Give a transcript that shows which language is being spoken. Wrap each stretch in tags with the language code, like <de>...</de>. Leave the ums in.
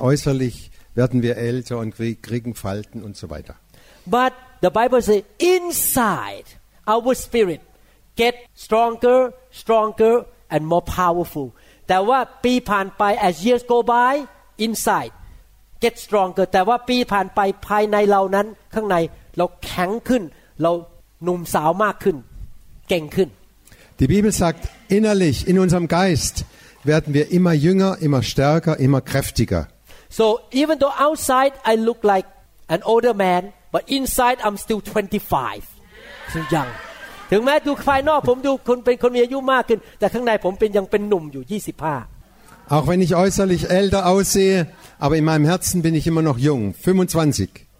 <de>äußerlich werden wir älter und krieg, kriegen Falten und so weiter</de> <en>But the Bible says inside our spirit get stronger stronger and more powerful</en> <th>แต่ว่าปีผ่านไป</th> <en>as years go by inside get stronger</en> <th>แต่ว่าปีผ่านไปภายในเรานั้นข้างในเราแข็งขึ้นเราหนุ่มสาวมากขึ้นเก่งขึ้น</th> <de>Die Bibel sagt innerlich in unserem Geist werden wir immer jünger, immer stärker, immer kräftiger.</de> <en>So even though outside I look like an older man, but inside I'm still 25. So young.</en> <th>ถึงแม้ดูภายนอกผมดูคนเป็นคนมีอายุมากขึ้นแต่ข้างในผมเป็นยังเป็นหนุ่มอยู่</th> <de>25 Auch wenn ich äußerlich älter aussehe, aber in meinem Herzen bin ich immer noch jung, 25.</de>